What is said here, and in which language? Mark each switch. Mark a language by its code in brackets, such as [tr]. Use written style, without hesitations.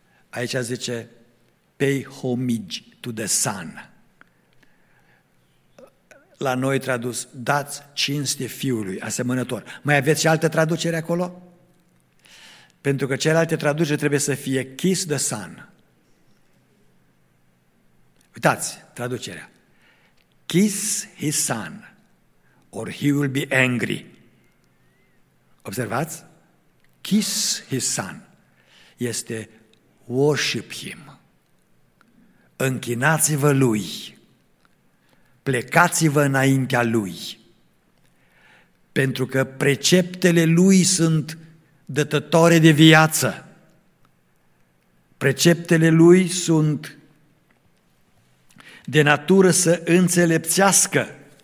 [ro] Aici zice, [en] pay homage to the sun. [ro] La noi tradus, dați cinste fiului, asemănător. Mai aveți și altă traducere acolo? Pentru că celelalte traduceri trebuie să fie [en] kiss the sun. [ro] Uitați traducerea. [en] Kiss his son or he will be angry. [ro] Observați? [en] Kiss his son [ro] este [en] worship him. [ro] Închinați-vă lui. Plecați-vă înaintea lui. Pentru că preceptele lui sunt dătătoare de viață. Preceptele lui sunt de natură să înțelepțească.